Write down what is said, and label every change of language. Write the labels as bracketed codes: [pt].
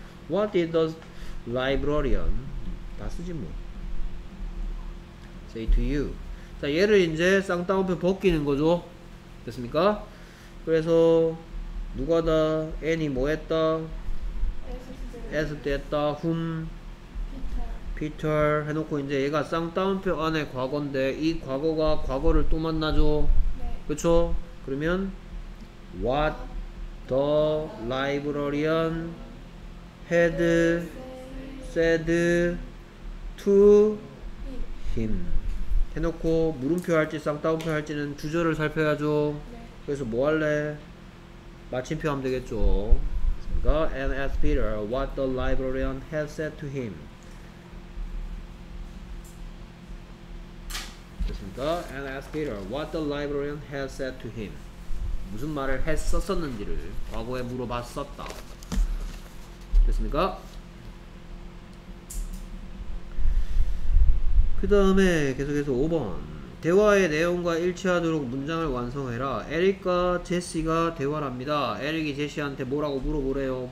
[en] What did the librarian [ko] 다 쓰지 뭐 [en] say to you. [ko] 자, 얘를 이제 쌍따옴표 벗기는 거죠. 됐습니까? 그래서 누가 다 애니 뭐 했다? 했었다 [en] whom? Peter [ko] 해놓고 이제 얘가 쌍따옴표 안에 과거인데 이 과거가 과거를 또 만나죠. 네. 그쵸? 그러면 [en] what the librarian had said to him [ko] 해놓고 물음표 할지 쌍따옴표 할지는 주절을 살펴야죠. 네. 그래서 뭐 할래? 마침표 하면 되겠죠. [en] Go and ask Peter what the librarian had said to him. [ko] 됐습니까? [en] And ask Peter what the librarian had said to him. [ko] 무슨 말을 했었었는지를 과거에 물어봤었다. 됐습니까? 그 다음에 계속해서 5번 대화의 내용과 일치하도록 문장을 완성해라. 에릭과 제시가 대화를 합니다. 에릭이 제시한테 뭐라고 물어보래요?